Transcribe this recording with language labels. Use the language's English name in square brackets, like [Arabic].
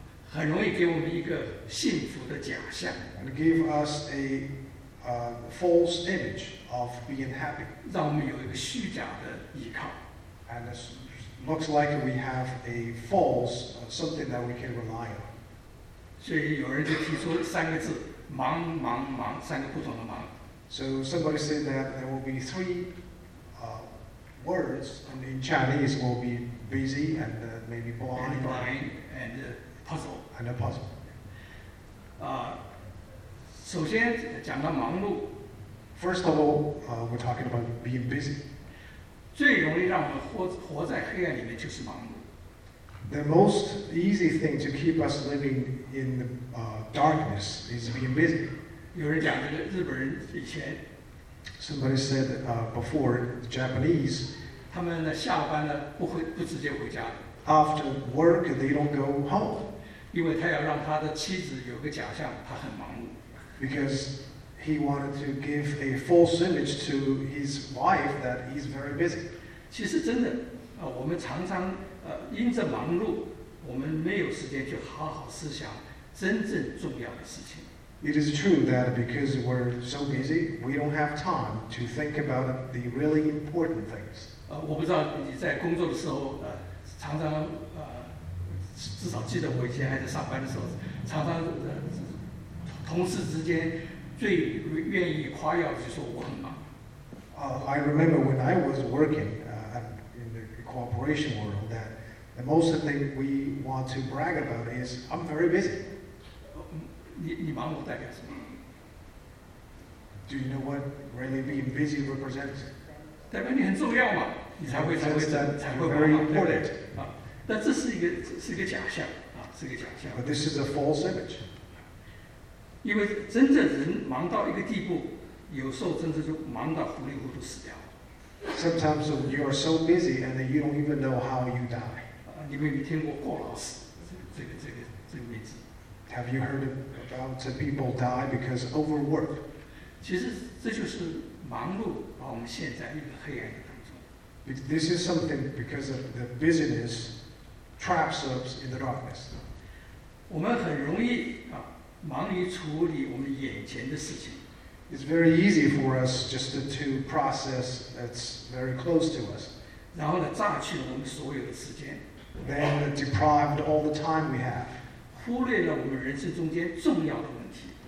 [Chinese] 很容易给我们一个幸福的假象 [English] and give us a false image of being happy [Chinese] 让我们有一个虚假的依靠 [English] and it looks like we have a false something that we can rely on [Chinese] 所以有人就提出三个字，忙忙忙，三个不同的忙。 [English] So somebody said that there will be three words, and in Chinese will be busy and maybe blind. And blind and puzzle. And a puzzle. [Chinese] 首先讲到忙碌。 [English] First of all, we're talking about being busy. [Chinese] 最容易让我们活在黑暗里面就是忙碌。 [English] The most easy thing to keep us living in the, darkness is being busy. [Chinese] 有人讲这个日本人以前 [English] Somebody said before, the Japanese [Chinese] 他们呢下班了不直接回家 [English] After work, they don't go home. [Chinese] 因为他要让他的妻子有个假象他很忙碌 [English] Because he wanted to give a false image to his wife that he's very busy. [Chinese] 其实真的我们常常因着忙碌，我们没有时间去好好思想真正重要的事情。 [English] It is true that because we're so busy, we don't have time to think about the really important things. [Chinese] 我不知道你在工作的时候，常常至少记得我以前还在上班的时候，常常同事之间最愿意夸耀就说我很忙。 [English] I remember when I was working in the corporation world that. The most thing we want to brag about is, I'm very busy. [Chinese] 你忙碌代表什么？ [English] Do you know what really being busy represents? [Chinese] 代表你很重要嘛。你才会 [English] very important. [Chinese] 那这是一个假象啊，是个假象。 [English] But this is a false image. [Chinese] 因为真正人忙到一个地步，有时候真的就忙到糊里糊涂死掉。 [English] Sometimes you are so busy and then you don't even know how you die. [Chinese] 你们有听过过劳死这个名字？ [English] Have you heard about some people die because of overwork? [Chinese] 其实这就是忙碌把我们陷在一个黑暗的当中。 [English] This is something because of the busyness traps us in the darkness. [Chinese] 我们很容易啊，忙于处理我们眼前的事情。 [English] It's very easy for us just to process that's very close to us. [Chinese] 然后呢，榨取了我们所有的时间。 [English] Then deprived all the time we have. [Chinese] 忽略了我们人生中间重要的问题